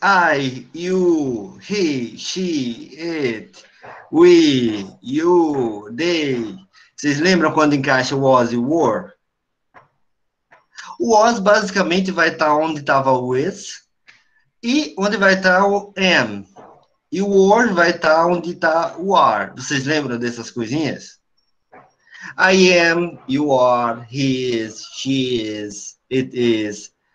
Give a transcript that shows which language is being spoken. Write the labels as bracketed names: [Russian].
[English] I, you, he, she, it, we, you, they. [Portuguese] Vocês lembram quando encaixa was e were? O was basicamente vai estar onde estava o is e onde vai estar o am. E o were vai estar onde está o are. Vocês lembram dessas coisinhas? [English] I am, you are, he is, she is, it is.